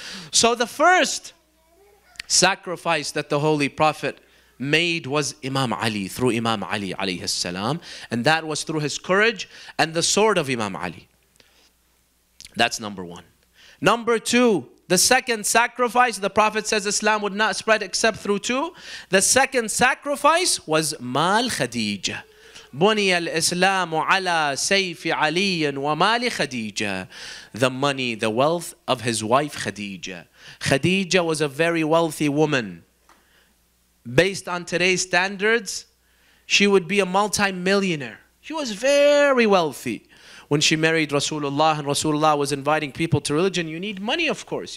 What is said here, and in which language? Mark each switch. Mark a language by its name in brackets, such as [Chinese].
[English] So the first sacrifice that the Holy Prophet made was Imam Ali, through Imam Ali alayhi salam, and that was through his courage and the sword of Imam Ali. That's number one. Number two, the second sacrifice, the Prophet says Islam would not spread except through two. The second sacrifice was Mal Khadija. [Arabic] بني الإسلام على سيف علي ومال خديجة. [English] The money, the wealth of his wife Khadija. Khadija was a very wealthy woman. Based on today's standards, she would be a multi-millionaire. She was very wealthy. When she married Rasulullah and Rasulullah was inviting people to religion, you need money, of course.